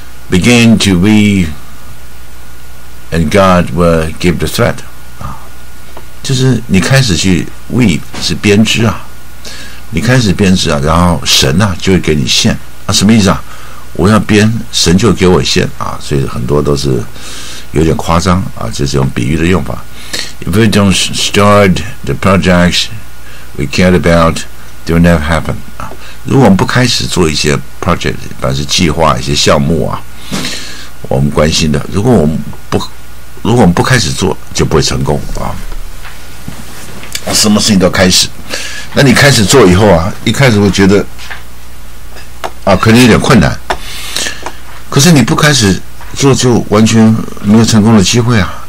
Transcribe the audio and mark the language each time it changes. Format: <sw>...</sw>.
<en>Begin to be and God will give the thread 啊，</en> <zh>就是你开始去 weave 是编织啊。你开始编织啊，然后神啊就会给你线啊，什么意思啊？我要编，神就给我线啊，所以很多都是有点夸张啊，就是用比喻的用法。</zh> <en>If we don't start the projects we care about, they'll never happen 啊。</en> <zh>如果我们不开始做一些 project， 反正是计划一些项目啊，我们关心的，如果我们不开始做，就不会成功啊。什么事情都开始。那你开始做以后啊，一开始会觉得啊可能有点困难，可是你不开始做就完全没有成功的机会啊。</zh>